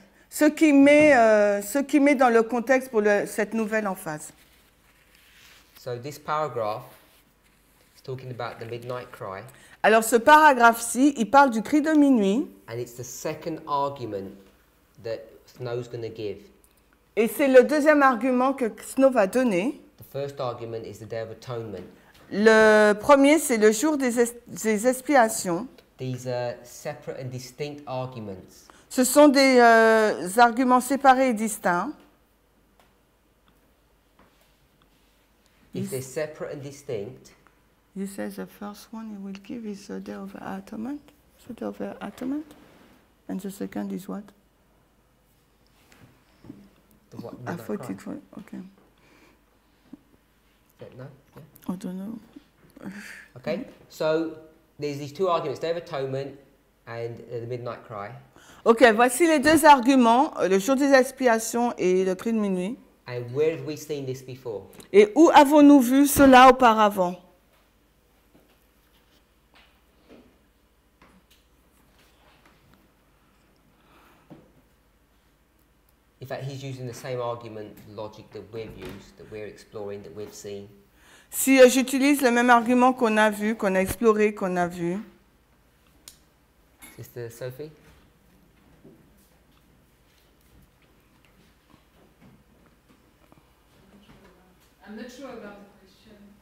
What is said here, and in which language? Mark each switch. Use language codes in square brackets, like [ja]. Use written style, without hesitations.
[fr] Ce qui met dans le contexte pour cette nouvelle emphase. [en] So this paragraph is talking about the midnight cry. [fr] Alors ce paragraphe-ci, il parle du cri de minuit. [en] And it's the second argument that Snow's going to give. [fr] Et c'est le deuxième argument que Snow va donner. [en] First argument is the Day of Atonement. [fr] Le premier, c'est le jour des expiations. [en] These are separate and distinct arguments. [fr] Ce sont des arguments séparés et distincts. [en] If they're separate and distinct. You say the first one you will give is the Day of Atonement. The Day of Atonement. And the second is what? The what? I thought it was, okay. No? Yeah. I don't know. Okay, so there's these two arguments, Day of Atonement and the Midnight Cry. [fr] Okay, voici les deux arguments, le jour des expiations et le cri de minuit. [en] And where have we seen this before? [fr] Et où avons-nous vu cela auparavant? [en] In fact, he's using the same argument, logic that we've used, that we're exploring, that we've seen. [fr] Si j'utilise le même argument qu'on a vu, qu'on a exploré, qu'on a vu. [en] Sister Sophie? I'm not sure about the question.